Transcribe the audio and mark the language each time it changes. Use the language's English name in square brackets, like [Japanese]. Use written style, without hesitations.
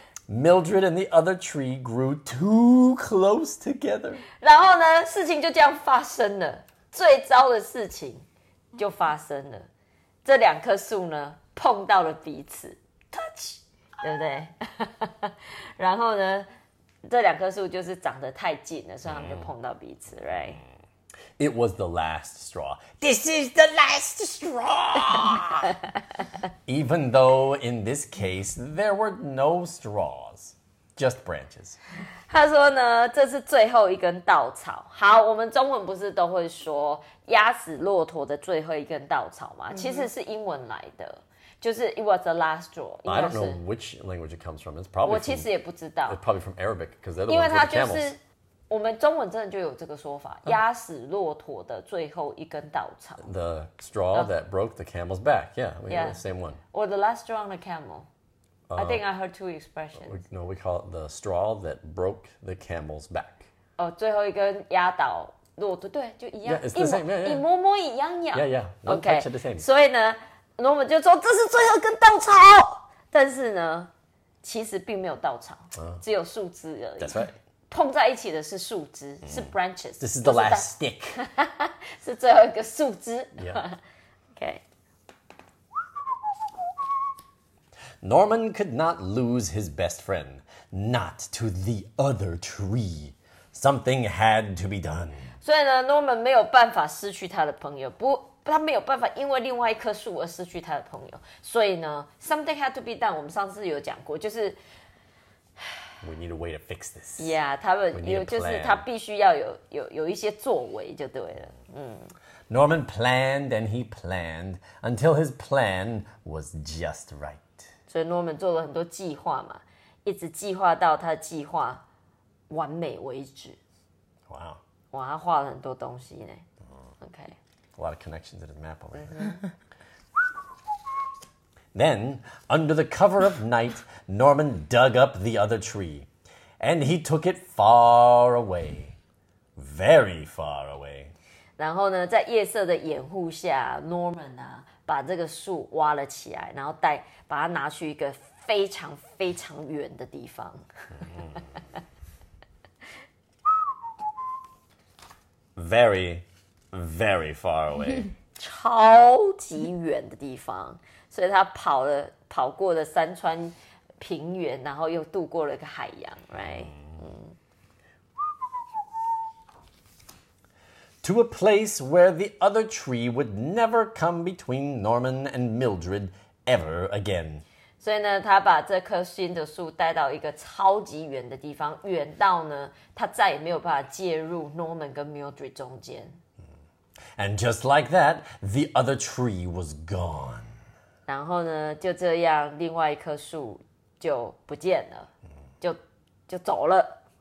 [English] Mildred and the other tree grew too close together. [Chinese] 然后呢，事情就这样发生了。最糟的事情就发生了。这两棵树呢，碰到了彼此 ，touch， 对不对？然后呢，这两棵树就是长得太近了，所以他们就碰到彼此 ，right？ [English] It was the last straw. This is the last straw! Even though in this case, there were no straws, just branches. [Chinese] 他说呢，这是最后一根稻草。好，我们中文不是都会说压死骆驼的最后一根稻草吗？其实是英文来的。就是 [English] it was the last straw. I don't know which language it comes from. It's probably [Chinese] 我其实也不知道。 [English] It's probably from Arabic, because they're the ones with the camels. [Chinese] 我们中文真的就有这个说法，压死骆驼的最后一根稻草。 [English] The straw that broke the camel's back. Yeah, we have the same one. Or the last straw on the camel. I think I heard two expressions. We call it the straw that broke the camel's back. [Chinese] 哦，最后一根压倒骆驼，对，就一样。 [English] Yeah, it's the same. Yeah, yeah. [Chinese] 一模模一样样。 [English] Yeah, yeah. Okay. The same. [Chinese] 所以呢，诺曼就说这是最后一根稻草，但是呢，其实并没有稻草，只有树枝而已。 [English] That's right. [Chinese] 碰在一起的是树枝，是 branches. [English] This is the last stick. [Chinese] 是最后一个树枝。 [English] Yeah. Okay. Norman could not lose his best friend, not to the other tree. Something had to be done. [Chinese] 所以呢 ，Norman 没有办法失去他的朋友，不，他没有办法因为另外一棵树而失去他的朋友。所以呢 ， [English] something had to be done. [Chinese] 我们上次有讲过，就是。 [English] We need a way to fix this. [Chinese] Yeah, 他们有就是他必须要有一些作为就对了。 [English] Norman planned and he planned until his plan was just right. [Chinese] 所以 Norman 做了很多计划嘛，一直计划到他的计划完美为止。 [English] Wow. [Chinese] 哇，他画了很多东西呢。Okay. [English] A lot of connections in his map already. Then, under the cover of night, Norman dug up the other tree, and he took it far away, very far away. [Chinese] 然后呢，在夜色的掩护下 ，Norman 啊，把这个树挖了起来，然后带把它拿去一个非常非常远的地方。 [English] Very, very far away. [Chinese] 超级远的地方。所以他跑过了山川平原，然后又渡过了一个海洋 ，right？ [English] To a place where the other tree would never come between Norman and Mildred ever again. [Chinese] 所以呢，他把这棵新的树带到一个超级远的地方，远到呢，他再也没有办法介入 Norman 跟 Mildred 中间。 [English] And just like that, the other tree was gone. [Chinese] 然后呢，就这样，另外一棵树就不见了，就走了。